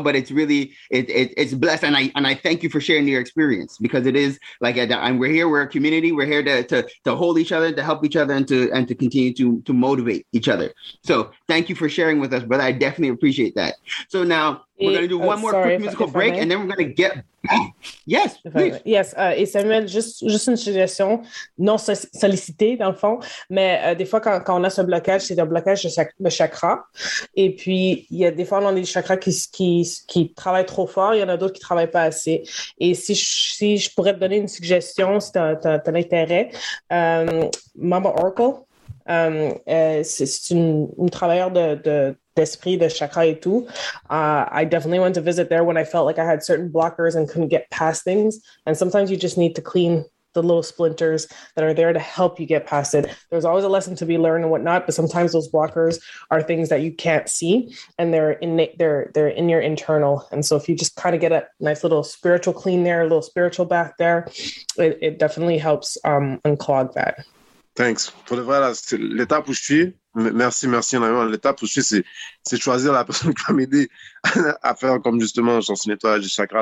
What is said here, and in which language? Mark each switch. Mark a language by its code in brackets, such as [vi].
[en] But it's really it's blessed, and I thank you for sharing your experience, because it is like, and we're here, we're a community, we're here to hold each other, to help each other, and to continue to motivate each other. So thank you for sharing with us, brother. I definitely appreciate that. So now we're going to do one more quick musical break, and then we're going to get [fr] Et Samuel, juste une suggestion, non sollicité dans le fond, mais des fois quand on a ce blocage, c'est un blocage de chakra. Et puis il y a des fois on a des chakras qui travaillent trop fort, il y en a d'autres qui travaillent pas assez. Et si je pourrais te donner une suggestion, si t'as l'intérêt, Mama Oracle, c'est une travailleuse d'esprit, de chakra et tout. [en] I definitely went to visit there when I felt like I had certain blockers and couldn't get past things. And sometimes you just need to clean the little splinters that are there to help you get past it. There's always a lesson to be learned and whatnot, but sometimes those blockers are things that you can't see, and they're in your internal. And so if you just kind of get a nice little spiritual clean there, a little spiritual bath there, it definitely helps unclog that. Thanks. [fr] Pour le vrai, là, c'est l'étape où je suis. Merci énormément. L'étape où je suis, c'est choisir la personne qui va m'aider à faire comme justement son nettoyage du chakra.